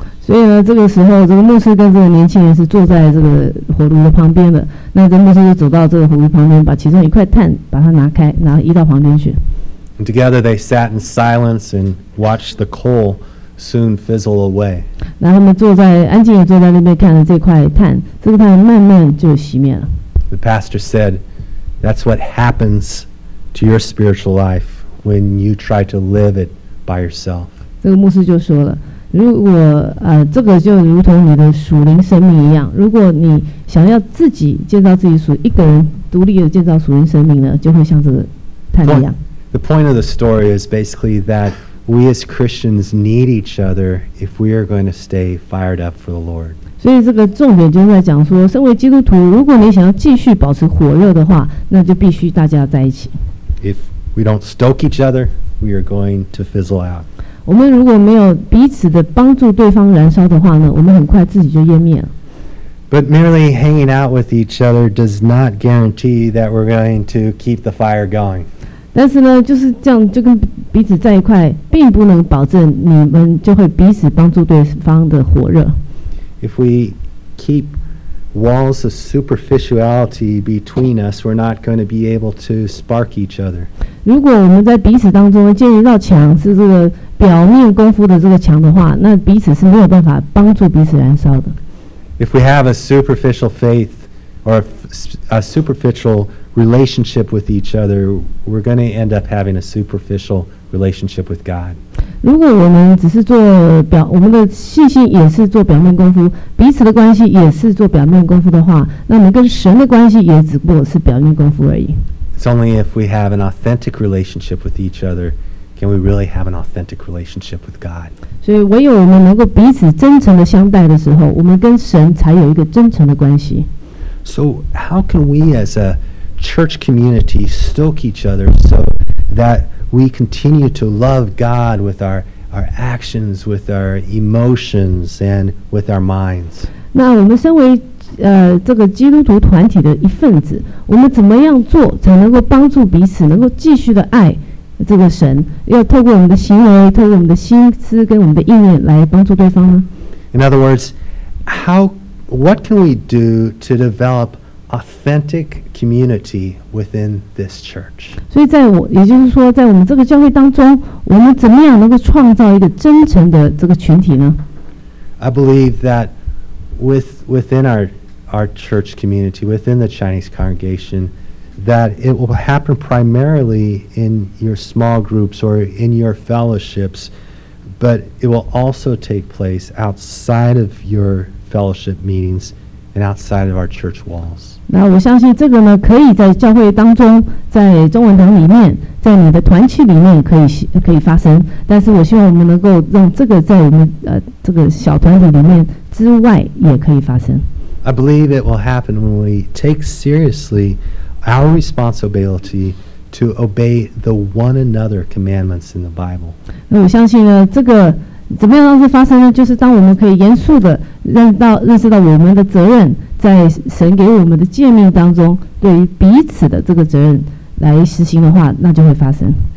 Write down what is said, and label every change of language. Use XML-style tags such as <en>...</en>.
<zh>所以呢，这个时候，这个牧师跟这个年轻人是坐在这个火炉的旁边的。那这牧师就走到这个火炉旁边，把其中一块炭把它拿开，然后移到旁边去。</zh> <en>And together they sat in silence and watched the coal soon fizzle away.</en> <zh>然后他们安静地坐在那边看着这块炭慢慢就熄灭了。</zh> <en>The pastor said, "That's what happens to your spiritual life when you try to live it." By yourself.</en> <zh>这个牧师就说了，如果这个就如同你的属灵生命一样，如果你想要自己建造自己属一个人独立的建造属灵生命呢，就会像这个太一样。</zh> <en>The point of the story is basically that we as Christians need each other if we are going to stay fired up for the Lord.</en> <zh>所以这个重点就在讲说，身为基督徒，如果你想要继续保持火热的话，那就必须大家在一起。</zh> <en>If we don't stoke each other. We are going to fizzle out.</en> <zh>我们如果没有彼此的帮助对方燃烧的话呢，我们很快自己就湮灭了。</zh> <en>But merely hanging out with each other does not guarantee that we're going to keep the fire going.</en> <zh>但是呢，就是这样，就跟彼此在一块，并不能保证你们就会彼此帮助对方的火热。</zh> <en>If we keep walls of superficiality between us, we're not going to be able to spark each other.</en> <zh>如果我们在彼此当中建立到墙，是这个表面功夫的这个墙的话，那彼此是没有办法帮助彼此燃烧的。</zh> <en>If we have a superficial faith or a superficial relationship with each other, we're going to end up having a superficial relationship with God.</en> <zh>如果我们只是做表，我们的信心也是做表面功夫，彼此的关系也是做表面功夫的话，那我们跟神的关系也只不过是表面功夫而已。</zh> <en>It's only if we have an authentic relationship with each other can we really have an authentic relationship with God.</en> <zh>所以唯有我们能够彼此真诚的相待的时候，我们跟神才有一个真诚的关系。</zh> <en>So how can we as a church community stoke each other so that we continue to love God with our actions, with our emotions, and with our minds?</en> <zh>那我们身为这个基督徒团体的一份子，我们怎么样做才能够帮助彼此能够继续的爱这个神，要透过我们的行为，透过我们的心思跟我们的意念来帮助对方呢？</zh> <en>In other words, what can we do to develop authentic community within this church?</en> <zh>所以在我，也就是说在我们这个教会当中，我们怎么样能够创造一个真诚的这个群体呢？</zh> <en>I believe that within our church community, within the Chinese congregation, that it will happen primarily in your small groups or in your fellowships, but it will also take place outside of your fellowship meetings and outside of our church walls.</en> <zh>那我相信这个呢，可以在教会当中，在中文堂里面，在你的团契里面可以发生。但是我希望我们能够让这个在我们这个小团体里面之外也可以发生。</zh> <en>I believe it will happen when we take seriously our responsibility to obey the one another commandments in the Bible.</en> <zh>那我相信呢，这个怎么样让这发生呢？就是当我们可以严肃的认识到我们的责任，在神给我们的诫命当中，对于彼此的这个责任来实行的话，那就会发生。</zh>